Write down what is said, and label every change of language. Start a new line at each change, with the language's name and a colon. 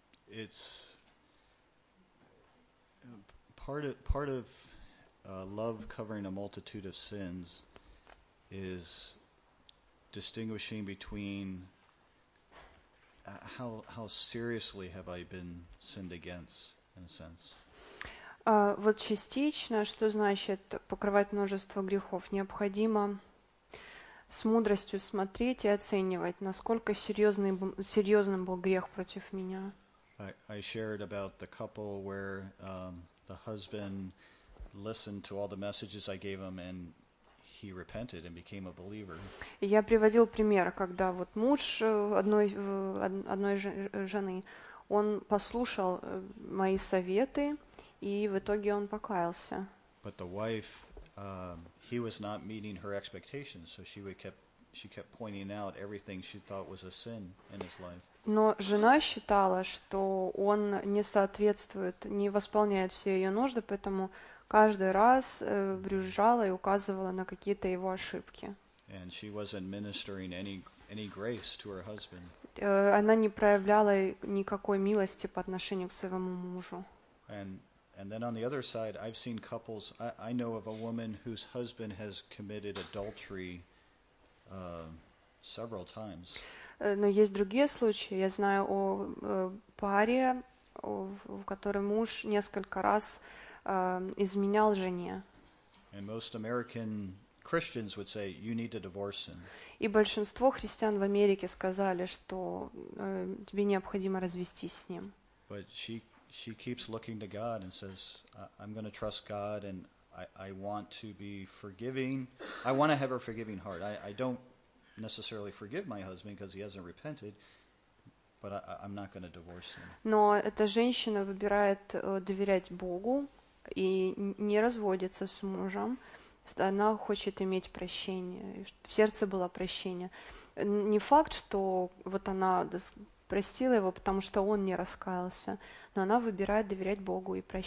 English: It's part of love covering a multitude of sins is distinguishing between how seriously have I been sinned against, in a sense.
Russian: Вот частично, что значит покрывать множество грехов, необходимо с мудростью смотреть и оценивать, насколько серьезным был грех против меня.
English: I shared about the couple where the husband listened to all the messages I gave him and he repented and became a believer.
Russian: Я приводил пример, когда вот муж одной одной жены, он послушал мои советы и в итоге он покаялся.
English: But the wife, he was not meeting her expectations, so she kept pointing out everything she thought was a sin in his life.
Russian: Но жена считала, что он не соответствует, не восполняет все ее нужды, поэтому каждый раз брюзжала и указывала на какие-то его ошибки.
English: And she wasn't ministering any grace to her husband.
Russian: Она не проявляла никакой милости по отношению к своему мужу.
English: And then on the other side, I've seen couples. I know of a woman whose husband has committed adultery several times.
Russian: Но есть другие случаи. Я знаю о паре, в которой муж несколько раз изменял жене.
English: And most American Christians would say you need to divorce him.
Russian: И большинство христиан в Америке сказали, что тебе необходимо развестись с ним.
English: But she keeps looking to God and says, I'm going to trust God and I want to be forgiving. I want to have a forgiving heart. I don't necessarily forgive my husband because he hasn't repented, but I'm not going to divorce him.
Russian: Но эта женщина выбирает доверять Богу и не разводится с мужем. Она хочет иметь прощение. В сердце было прощение. Не факт, что вот она простила его, потому что он не раскаялся, но она выбирает доверять Богу и